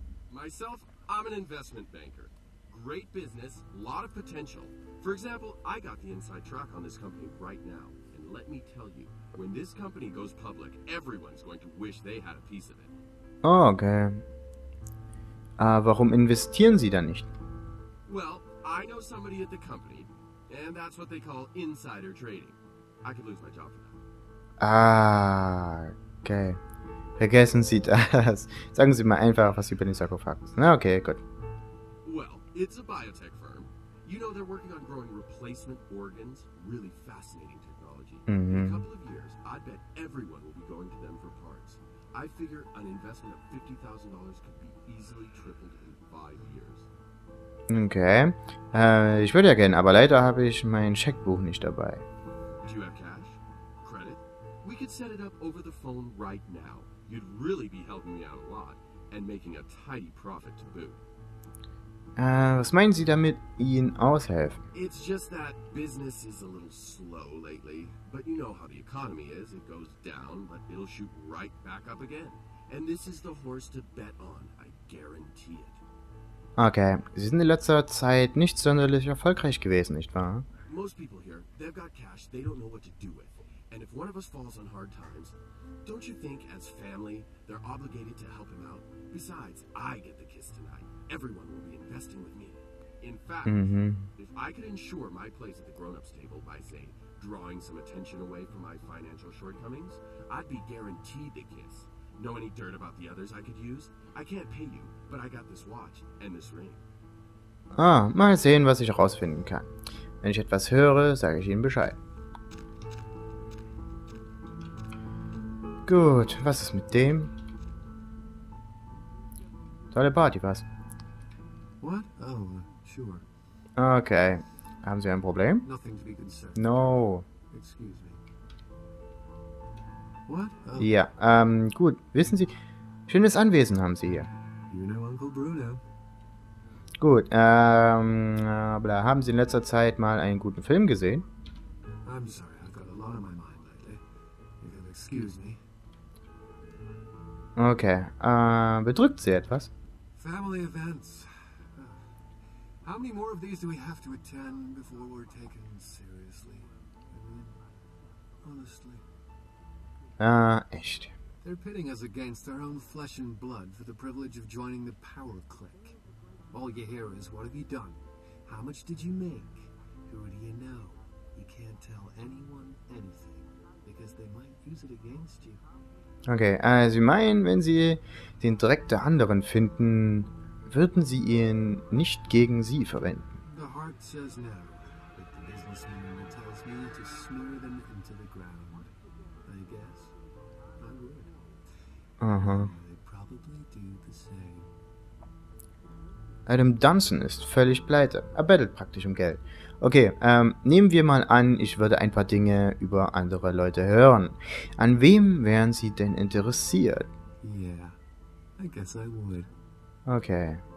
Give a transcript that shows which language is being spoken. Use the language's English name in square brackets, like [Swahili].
[English] Myself, I'm an investment banker. Great business, lot of potential. For example, I got the inside track on this company right now. And let me tell you. When this company goes public, everyone's going to wish they had a piece of it. Oh, okay. [German] Warum investieren Sie dann nicht? [English] Well, I know somebody at the company, and that's what they call insider trading. I could lose my job for that. [German] Okay. Vergessen Sie das. Sagen Sie mal einfach, was Sie über den Sarkophag wissen. Okay, gut. [English] Well, it's a biotech firm. You know they're working on growing replacement organs, really fascinating technology. I bet everyone will be going to them for parts. I figure an investment of $50,000 could be easily tripled in 5 years. Okay. [German] Ich würde ja gerne, aber leider habe ich mein Scheckbuch nicht dabei. [English] Do you have cash? Credit? We could set it up over the phone right now. You'd really be helping me out a lot and making a tidy profit to boot. [German] Was meinen Sie damit, Ihnen aushelfen? [English] It's just that business is a little slow lately. But you know how the economy is. It goes down, but it'll shoot right back up again. And this is the horse to bet on. I guarantee it. [German] Okay, Sie sind in letzter Zeit nicht sonderlich erfolgreich gewesen, nicht wahr? [English] Most people here, they've got cash they don't know what to do with. And if one of us falls on hard times, don't you think, as family, they're obligated to help him out? Besides, I get the kiss tonight. Everyone will be investing with me. In fact, if I could ensure my place at the grown-ups table by, say, drawing some attention away from my financial shortcomings, I'd be guaranteed the kiss. Know any dirt about the others I could use? I can't pay you, but I got this watch and this ring. [German] Ah, mal sehen, was ich herausfinden kann. Wenn ich etwas höre, sage ich Ihnen Bescheid. Gut, was ist mit dem? Tolle Party, was? [English] What? Oh, sure. [German] Okay. Haben Sie ein Problem? [English] Nothing to be concerned. No. Excuse me. [German] Ja, gut. Wissen Sie, schönes Anwesen haben Sie hier. [English] You know Uncle Bruno. [German] Gut, bla, haben Sie in letzter Zeit mal einen guten Film gesehen? [English] I'm sorry, I've got a lot on my mind lately. You can excuse me. [German] Okay, bedrückt Sie etwas? [English] Family events. How many more of these do we have to attend before we're taken seriously? I mean, honestly. [German] Echt. [English] They're pitting us against our own flesh and blood for the privilege of joining the power clique. All you hear is, what have you done? How much did you make? Who do you know? You can't tell anyone anything, because they might use it against you. [German] Okay, Sie meinen, wenn Sie den Dreck der anderen finden, würden Sie ihn nicht gegen Sie verwenden? [English] The heart says no, but the business memo tells me to smear them into the ground. I guess I would. They probably do the same. [German] Adam Dunson ist völlig pleite. Er bettelt praktisch um Geld. Okay, nehmen wir mal an, ich würde ein paar Dinge über andere Leute hören. An wem wären Sie denn interessiert? [English] Yeah, I guess I would. Okay.